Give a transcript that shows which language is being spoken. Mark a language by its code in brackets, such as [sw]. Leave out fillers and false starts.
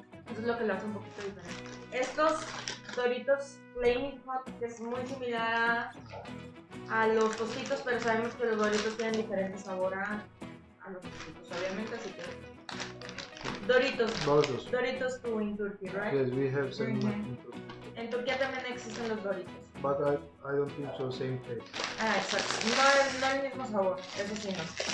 [es] Eso es lo que lo hace un poquito diferente. Estos Doritos Flaming Hot, que es muy similar a los tostitos, pero sabemos que los Doritos tienen diferente sabor a los tostitos, obviamente, así que... Doritos. Doritos tú en Turquía, right? [en] Yes, we have same in Turkey. [es] En Turquía también existen los Doritos. [en] But I don't think so, same taste. [es] Ah, exacto. No es no el mismo sabor, eso sí no.